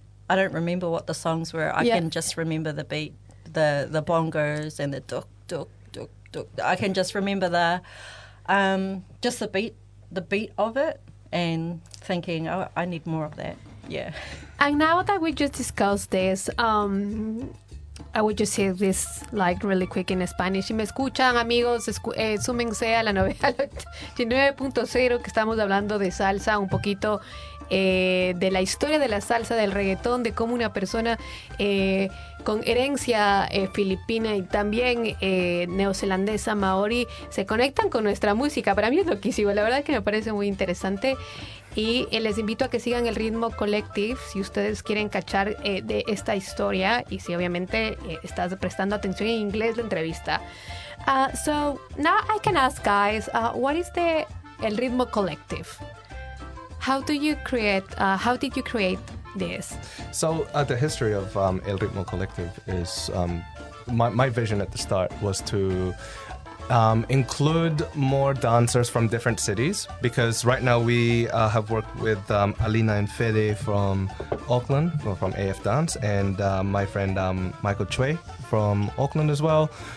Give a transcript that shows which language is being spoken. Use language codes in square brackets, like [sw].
[en] I can just remember the beat, the bongos and the duk duk duk duk. I can just remember the just the beat. The beat of it and thinking, oh, I need more of that. Yeah. And now that we just discussed this, I would just say this like really quick in Spanish. [es] Si me escuchan, amigos, súmense a la novela 19.0, que estamos hablando de salsa, un poquito de la historia de la salsa, del reggaetón, de cómo una persona con herencia filipina y también neozelandesa, maori, se conectan con nuestra música. Para mí es loquísimo, la verdad es que me parece muy interesante. Y les invito a que sigan el Ritmo Collective si ustedes quieren cachar de esta historia y si obviamente estás prestando atención en inglés la entrevista. [en] So now I can ask guys, what is the el Ritmo Collective? How did you create this? So the history of El Ritmo Collective is my vision at the start was to include more dancers from different cities, because right now we have worked with Alina and Fede from Auckland, or from AF Dance, and my friend Michael Chui from Auckland as well.